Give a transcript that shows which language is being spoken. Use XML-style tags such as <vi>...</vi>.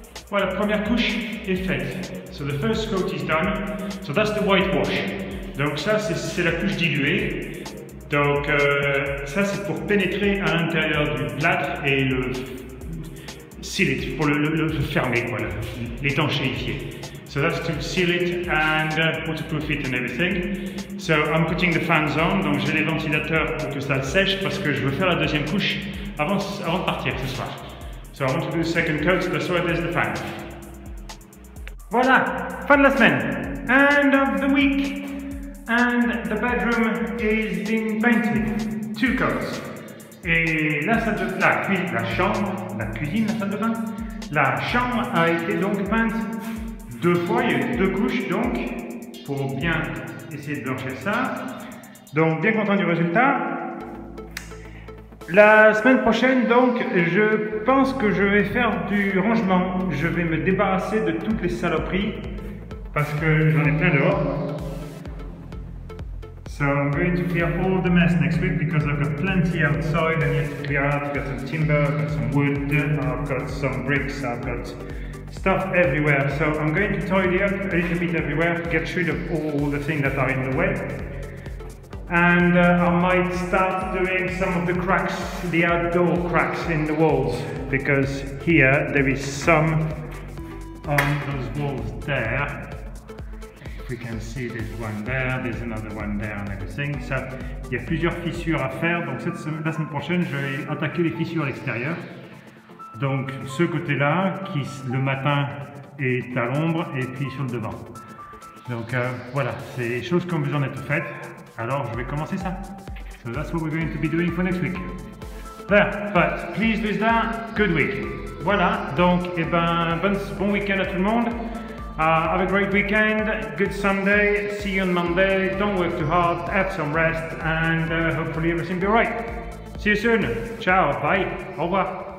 <en>Well, the</en> <fr>première couche est faite.</fr> <en>So the first coat is done. So that's the whitewash.</en> <fr>Donc ça, c'est la couche diluée. Donc ça, c'est pour pénétrer à l'intérieur du plâtre et le</fr> <en>seal it,</en> <fr>pour le fermer, voilà, l'étanchéifier.</fr> <en>So that's to seal it and waterproof it and everything. So I'm putting the fans on.</en> <fr>Donc j'ai les ventilateurs pour que ça sèche parce que je veux faire la deuxième couche avant de partir ce soir.</fr> <en>So I want to do the second coat, so that's why there's the fan.</en> <fr>Voilà! Fin de la semaine!</fr> <en>End of the week! And the bedroom is being painted. Two coats.</en> <fr>Et la salle de bain, la chambre, la cuisine, la salle de bain, la chambre a été donc peinte deux fois, il y a eu deux couches donc, pour bien essayer de blanchir ça. Donc bien content du résultat. La semaine prochaine, donc, je pense que je vais faire du rangement. Je vais me débarrasser de toutes les saloperies parce que j'en ai plein dehors.</fr> <en>So I'm going to clear all the mess next week because I've got plenty outside I need to clear out. I've got some timber, I've got some wood, I've got some bricks, I've got stuff everywhere. So I'm going to tidy up a little bit everywhere, get rid of all the things that are in the way. And I might start doing some of the cracks, the outdoor cracks in the walls, because here there is some on those walls there. We can see there's one there, there's another one there and everything.</en> <fr>So il y a plusieurs fissures à faire, donc la semaine prochaine je vais attaquer les fissures à l'extérieur. Donc ce côté là qui le matin est à l'ombre et puis sur le devant. Donc voilà, c'est des choses qui ont besoin d'être faites. Alors je vais commencer ça.</fr> <en>So that's what we're going to be doing for next week. There, but please do that, good week.</en> <fr>Voilà, donc et ben bon week-end à tout le monde.</fr> <en>Have a great weekend, good Sunday, see you on Monday, don't work too hard, have some rest, and hopefully everything will be alright. See you soon, ciao, bye,</en> <fr>au revoir.</fr>